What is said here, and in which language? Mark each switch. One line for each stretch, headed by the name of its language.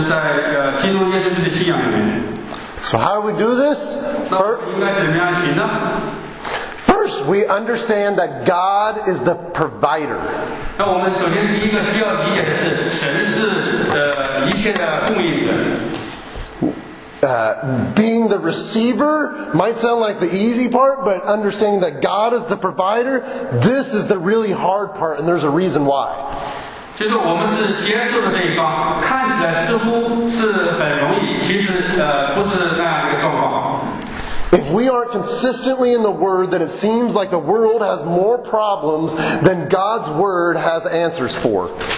Chinese: 就是当我们活出我们神给我们的新的信心的时候就是彼得在这解释的这些特性我们是在坚定不移的证实我们所得的呼召对我们自己也是对他人这样的我们可以对旁人有一个鼓励有一个感动的工作就是在基督耶稣的信仰里面
English: So how do we do this? First, we understand that God is the provider. Being the receiver might sound like the easy part, but understanding that God is the provider, this is the really hard part, and there's a reason why.
Chinese: 就是我们是接受的这一方看起来似乎是很容易其实不是那样一个状况
English: If we aren't consistently in the Word then it seems like the world has more problems than God's Word has answers for